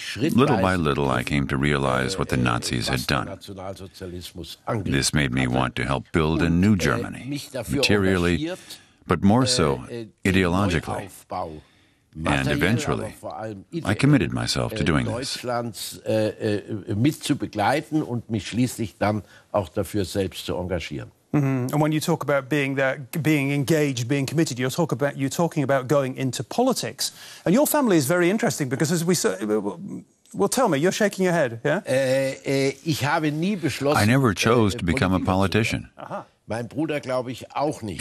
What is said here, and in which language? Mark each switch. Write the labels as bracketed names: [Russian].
[English] Little by little, I came to realize what the Nazis had done. This made me want to help build a new Germany, materially, but more so ideologically. And eventually, I committed myself to doing this. [German] Mitzubegleiten und mich schließlich dann auch dafür selbst zu engagieren. [English] And when you talk about being there, being engaged, being committed, you're talking about going into politics. And your family is very interesting because, as we said, well, tell me, you're shaking your head, yeah? [German] Ich habe nie beschlossen. [English] I never chose to become a politician. [German] Mein Bruder, glaube ich, auch nicht.